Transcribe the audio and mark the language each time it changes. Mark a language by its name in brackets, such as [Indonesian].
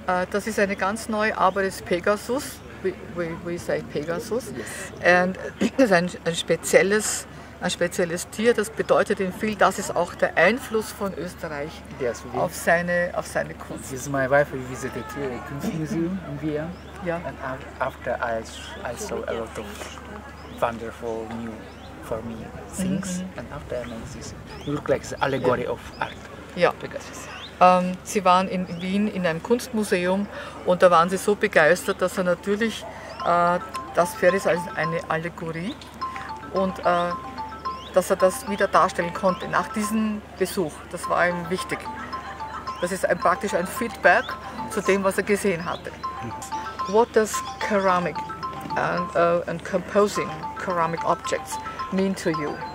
[German] Das ist eine ganz neue Arbeit, ist Pegasus. [English] We say Pegasus. [German] Und es ist ein spezielles Tier, das bedeutet ihm viel. Das ist auch der Einfluss von Österreich auf seine Kunst. [English] This is my wife, we visited the Kunstmuseum in Vienna. Yeah. And after I saw a lot of wonderful new for me things. Mm-hmm. And after I made this, look like the allegory of art. Yeah. Pegasus. [German] Sie waren in Wien in einem Kunstmuseum und da waren sie so begeistert, dass er natürlich das Pferd ist als eine Allegorie und dass er das wieder darstellen konnte nach diesem Besuch. Das war ihm wichtig. Das ist praktisch ein Feedback zu dem, was er gesehen hatte. [English] What does ceramic and composing ceramic objects mean to you?